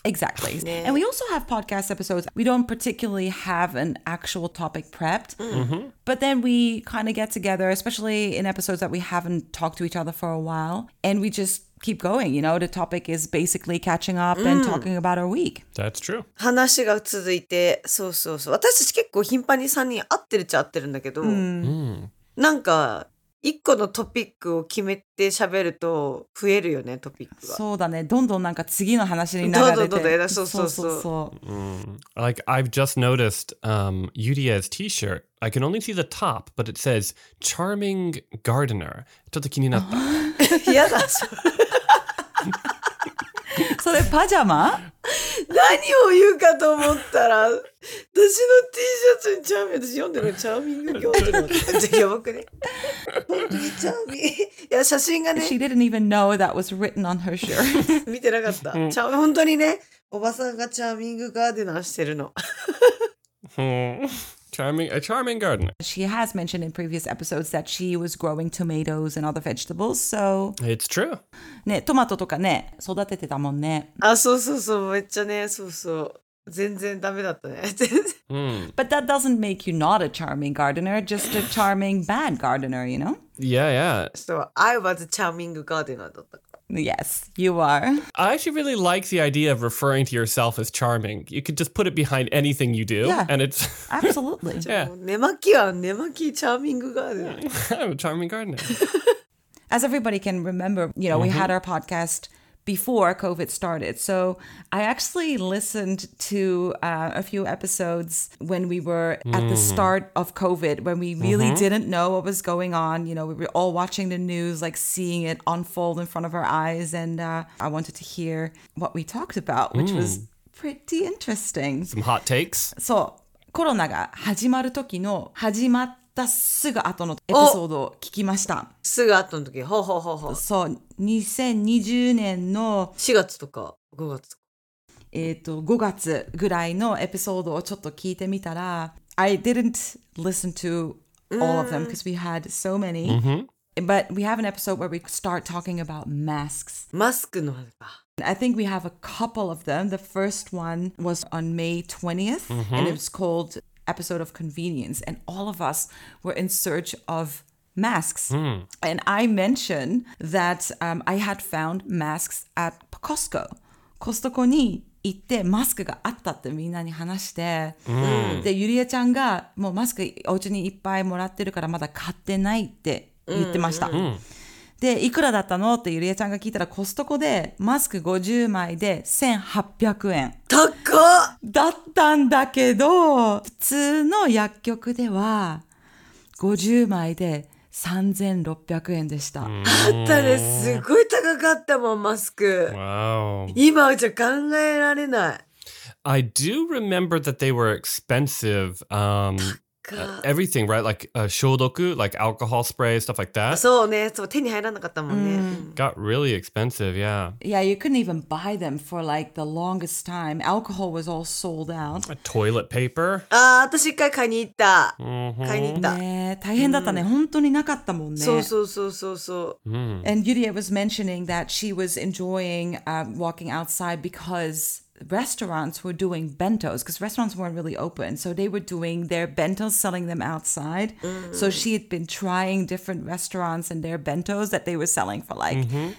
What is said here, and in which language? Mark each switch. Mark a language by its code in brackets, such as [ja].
[en] Exactly. And we also have podcast episodes. We don't particularly have an actual topic prepped. But then we kind of get together, especially in episodes that we haven't talked to each other for a while. And we just keep going, you know? The topic is basically catching up and talking about our week. That's true. [ja] 話が続いて、そうそうそう。私たち結構頻繁に3人会ってるっちゃ会ってるんだけど、なんか一個のトピックを決めて喋ると増えるよね、トピックが。そうだね。どんどんなんか次の話に流れて。どうどうどうだ。そうそうそう。 [en] Like, I've just noticed Yuria's t-shirt. I can only see the top, but it says Charming Gardener. [ja] ちょっと気になった。嫌だ。それパジャマ何を言うかと思ったら私の T シャツにチャーミング私読んでるのチャーミング行事のやばくね本当にチャーミングいや写真がね [en] She didn't even know that was written on her shirt [ja] 見てなかった本当にねおばさんがチャーミングガーデナーしてるの [en] A charming gardener. She has mentioned in previous episodes that she was growing tomatoes and other vegetables, so... It's true. [ja] ね、トマトとかね、育ててたもんね。あ、そうそうそう、めっちゃね、そうそう。全然ダメだったね。全然。 [en] But that doesn't make you not a charming gardener, just a charming bad gardener, you know? Yeah, yeah. So I was a charming gardener [ja] だったから。 [en] Yes, you are. I actually really like the idea of referring to yourself as charming. You could just put it behind anything you do. Yeah, and it's... absolutely. Yeah. [ja] 寝巻きは寝巻き [en] charming gardener. I'm a charming gardener. As everybody can remember, you know, we had our podcast before COVID started. So I actually listened to a few episodes when we were at the start of COVID, when we really didn't know what was going on. You know, we were all watching the news, like seeing it unfold in front of our eyes. And I wanted to hear what we talked about, which was pretty interesting. Some hot takes. [ja] So, コロナが始まる時の始まったたすぐ後のエピソードを聞きました。すぐ後の時、ほうほうほうほう。そう、2020年の 4月とか5月とか、 5月ぐらいのエピソードをちょっと聞いてみたら、 [en] I didn't listen to all of them because we had so many. Mm-hmm. But we have an episode where we start talking about masks. [ja] Mask の話。 [en] I think we have a couple of them. The first one was on May 20th, mm-hmm. and it was called Episode of Convenience. And all of us were in search of masks. Mm. And I mentioned that I had found masks at Costco. [ja] Costco に行ってマスクがあったってみんなに話して、うん、でゆりえちゃんがもうマスクお家にいっぱいもらってるからまだ買ってないって言ってました、うんうん、でいくらだったのってゆりえちゃんが聞いたらコストコでマスク50枚で1800円、高っだったんだけど普通の薬局では50枚で3600円でした。あったね。すごい高かったもん、マスク。 [en] Wow. [ja] 今じゃ考えられない。 [en] I do remember that they were expensive. Everything, right? Like 消毒, like alcohol spray, stuff like that. [ja] そうね。そう、手に入らなかったもんね。 Mm. [en] Got really expensive, yeah. Yeah, you couldn't even buy them for like the longest time. Alcohol was all sold out. A toilet paper? [ja] ああ、私一回買いに行った。 Mm-hmm. 買いに行った。ねえ、大変だったね。Mm. 本当になかったもんね。そうそうそうそうそう。 Mm. [en] And Yuria was mentioning that she was enjoying walking outside because... restaurants were doing bentos because restaurants weren't really open, so they were doing their bentos, selling them outside. Mm-hmm. So she had been trying different restaurants and their bentos that they were selling for like mm-hmm.